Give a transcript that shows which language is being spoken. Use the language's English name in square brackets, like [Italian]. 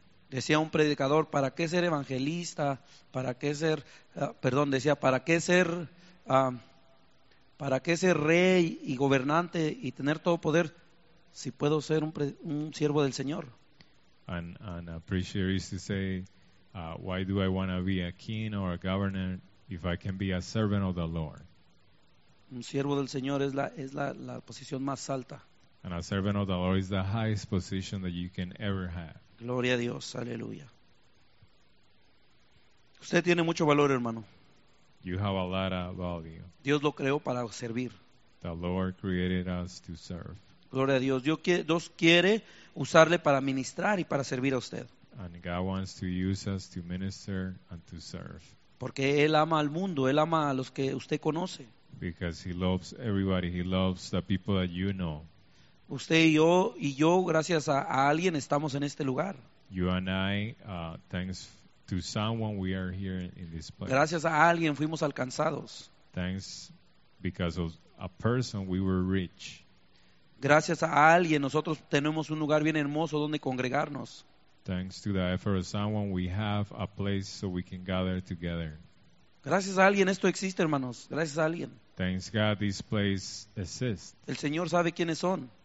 [Spanish] Decía un predicador, ¿para qué ser evangelista? ¿Para qué ser, para qué ser rey y gobernante y tener todo poder si puedo ser un siervo del Señor? [English] And a preacher used to say, why do I want to be a king or a governor if I can be a servant of the Lord? [Spanish] Un siervo del Señor es la posición más alta. [English] And a servant of the Lord is the highest position that you can ever have. [Spanish] Gloria a Dios, aleluya. Usted tiene mucho valor, hermano. [English] You have a lot of value. [Spanish] Dios lo creó para servir. [English] The Lord created us to serve. [Spanish] Gloria a Dios. Dios quiere usarle para ministrar y para servir a usted. [English] And God wants to use us to minister and to serve. [Spanish] Porque Él ama al mundo, Él ama a los que usted conoce. [English] Because He loves everybody, He loves the people that you know. [Spanish] Usted y yo, gracias a alguien, estamos en este lugar. [English] You and I, thanks to someone, we are here in this place. [Spanish] Gracias a alguien, fuimos alcanzados. [English] Thanks because of a person, we were rich. [Spanish] Gracias a alguien, nosotros tenemos un lugar bien hermoso donde congregarnos. [English] Thanks to the effort of someone, we have a place so we can gather together. [Spanish] Gracias a alguien, esto existe, hermanos. Gracias a alguien. [English] Thanks God, this place exists. [Spanish] El Señor sabe quiénes son.